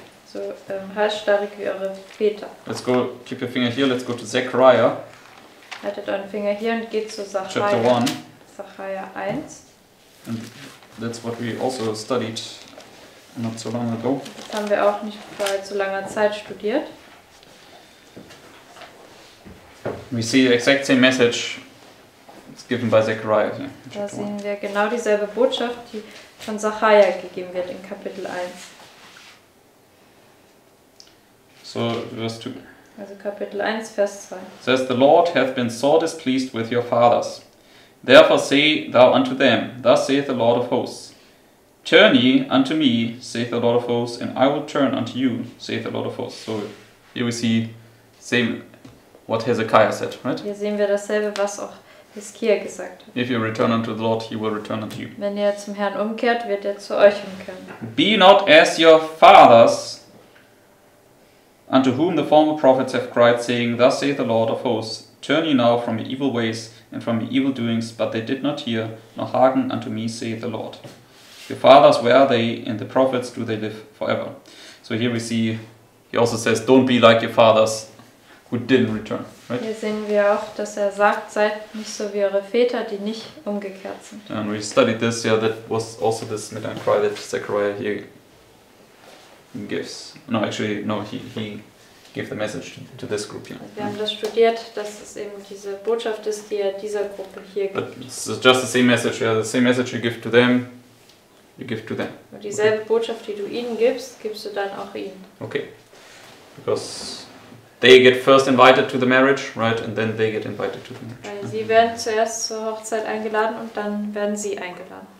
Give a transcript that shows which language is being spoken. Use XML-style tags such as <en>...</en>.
<de>So, halsstarrig wie eure Väter.</de> <en>Let's go, keep your finger here, let's go to Zechariah.</en> <de>Haltet euren Finger hier und geht zu Zechariah.</de> <en>Chapter 1.</en> <de>Zechariah 1.</de> <en>And that's what we also studied not so long ago.</en> <de>Das haben wir auch nicht vor allzu langer Zeit studiert.</de> <en>We see the exact same message it's given by Zechariah. Here,</en> <de>da sehen wir genau dieselbe Botschaft, die von Zechariah gegeben wird in Kapitel 1.</de> <en>So, verse 2.</en> <de>Also Kapitel 1, Vers 2.</de> <en>It says, the Lord hath been sore displeased with your fathers. Therefore say thou unto them, thus saith the Lord of hosts. Turn ye unto me, saith the Lord of hosts, and I will turn unto you, saith the Lord of hosts. So, here we see same what Hezekiah said, right?</en> <de>Hier sehen wir dasselbe, was auch Hiskia gesagt hat.</de> <en>If you return unto the Lord, he will return unto you.</en> <de>Wenn ihr zum Herrn umkehrt, wird zu euch umkehren.</de> <en>Be not as your fathers, unto whom the former prophets have cried, saying, thus saith the Lord of hosts, turn ye now from your evil ways and from your evil doings, but they did not hear, nor hearken unto me, saith the Lord. Your fathers, where are they? And the prophets, do they live forever? So here we see, he also says, don't be like your fathers, who didn't return. Right?</en> <de>Hier sehen wir auch, dass sagt, seid nicht so wie eure Väter, die nicht umgekehrt sind.</de> <en>And we studied this, yeah, that was also this midan cry that Zechariah here gives. No, actually, no, he gave the message to this group here.</en> <de>Wir haben das studiert, dass es eben diese Botschaft ist, die dieser Gruppe hier gibt.</de> <en>But it's just the same message, yeah, the same message you give to them. You give to them.</en> <de>Und dieselbe okay. Botschaft, die du ihnen gibst, gibst du dann auch ihnen.</de> <en>Okay. Because they get first invited to the marriage, right? And then they get invited to the marriage.</en> <de>Weil sie werden zuerst zur Hochzeit eingeladen und dann werden sie eingeladen.</de>